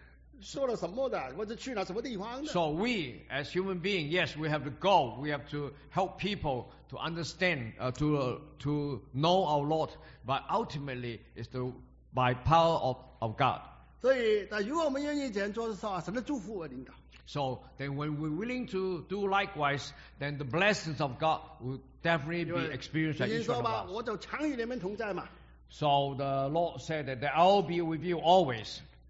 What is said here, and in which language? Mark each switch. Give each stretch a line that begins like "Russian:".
Chinese: 所以我们人还是要去，我们人还是要帮助人家去认同啊，我们所信的就是耶稣基督，但是最终还是靠神的，不是靠我们说了什么的，或者去了什么地方的。
English: So we, as human beings, yes, we have to go, we have to help people to understand, to know our Lord, but ultimately it's the by power of God.
Chinese: 所以，但如果我们愿意这样做的时候，神的祝福而领导。
English: So then when we're willing to do likewise, then the blessings of God will definitely be experienced at each one of us. So the Lord said that I'll be with you always.